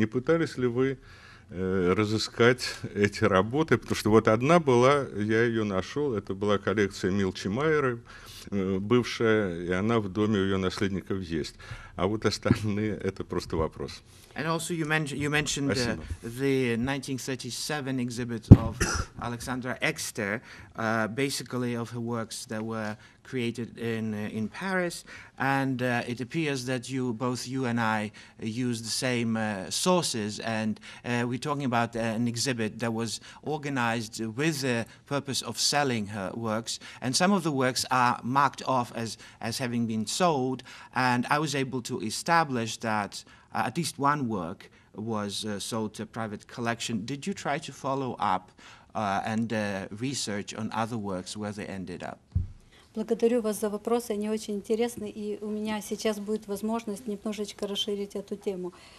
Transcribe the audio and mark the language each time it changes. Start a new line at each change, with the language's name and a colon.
Russian: Не пытались ли вы разыскать эти работы? Потому что вот одна была, я ее нашел, это была коллекция Милчи Майеры, бывшая, и она в доме у ее наследников есть. А вот остальные, это просто вопрос.
English: And also you mentioned the 1937 exhibit of Alexandra Exter, basically of her works that were created in Paris, and it appears that both you and I use the same sources, and we're talking about an exhibit that was organized with the purpose of selling her works, and some of the works are marked off as having been sold, and I was able to establish that at least one work was sold to a private collection. Did you try to follow up and research on other works, where they ended up?
Russian: Благодарю вас за вопросы, они очень интересны, и у меня сейчас будет возможность немножечко расширить эту тему.